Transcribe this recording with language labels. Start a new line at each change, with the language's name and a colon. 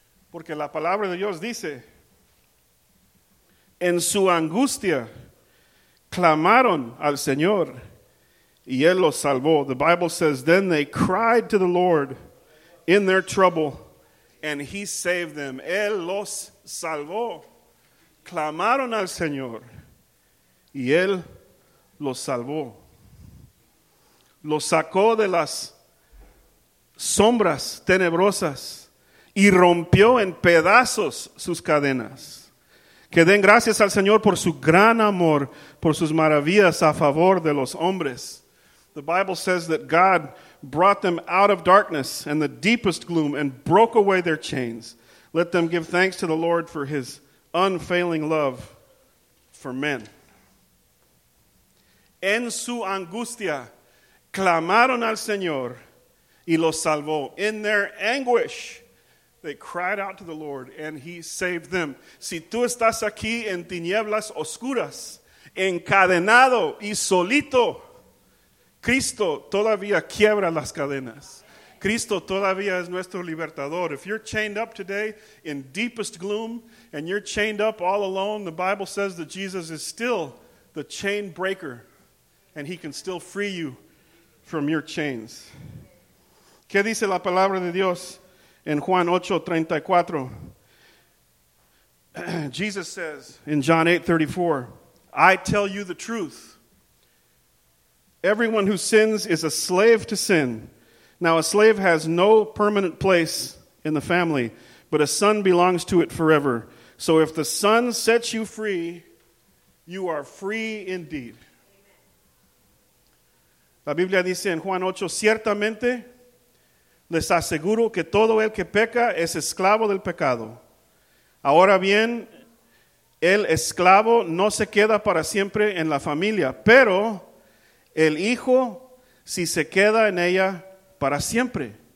Spanish: Porque la palabra de Dios dice, en su angustia clamaron al Señor y él los salvó.
English: The Bible says, then they cried to the Lord in their trouble, and he saved them.
Spanish: Él los salvó. Clamaron al Señor. Y él los salvó. Los sacó de las sombras tenebrosas. Y rompió en pedazos sus cadenas. Que den gracias al Señor por su gran amor. Por sus maravillas a favor de los hombres.
English: The Bible says that God brought them out of darkness and the deepest gloom and broke away their chains. Let them give thanks to the Lord for his unfailing love for men.
Spanish: En su angustia, clamaron al Señor y los salvó.
English: In their anguish, they cried out to the Lord and he saved them.
Spanish: Si tú estás aquí en tinieblas oscuras, encadenado y solito, Cristo todavía quiebra las cadenas. Cristo todavía es nuestro libertador.
English: If you're chained up today in deepest gloom and you're chained up all alone, the Bible says that Jesus is still the chain breaker and he can still free you from your chains.
Spanish: ¿Qué dice la palabra de Dios en Juan 8:34?
English: Jesus says in John 8:34, I tell you the truth. Everyone who sins is a slave to sin. Now, a slave has no permanent place in the family, but a son belongs to it forever. So if the son sets you free, you are free indeed.
Spanish: La Biblia dice en Juan 8, ciertamente les aseguro que todo el que peca es esclavo del pecado. Ahora bien, el esclavo no se queda para siempre en la familia, pero el hijo si se queda en ella para siempre.